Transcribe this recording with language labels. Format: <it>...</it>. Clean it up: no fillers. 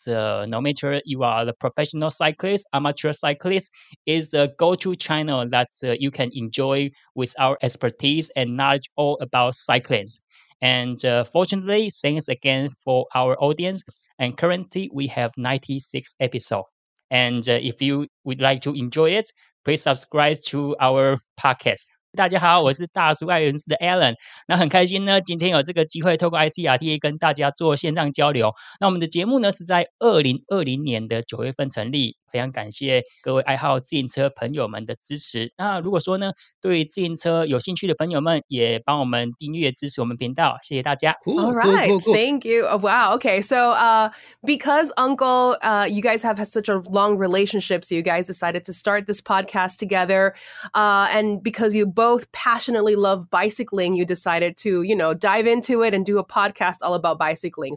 <en>No matter you are a professional cyclist, amateur cyclist, is a go-to channel that you can enjoy with our expertise and knowledge all about cyclists. And fortunately, thanks again for our audience. And currently, we have 96 episodes. And if you would like to enjoy it, please subscribe to our podcast.</en> <zh>大家好，我是大叔爱轮事的Alan。那很开心呢，今天有这个机会透过ICRT 跟大家做线上交流。那我们的节目呢是在2020年的9月份成立，非常感谢各位爱好自行车朋友们的支持。那如果说呢，对自行车有兴趣的朋友们，也帮我们订阅支持我们频道，谢谢大家。All</zh> <en>right, thank you. Wow. Okay. So, because Uncle, you guys have had such a long relationship, so you guys decided to start this podcast together, and because you both passionately love bicycling, you decided to, you know, dive into it and do a podcast all about bicycling.</en>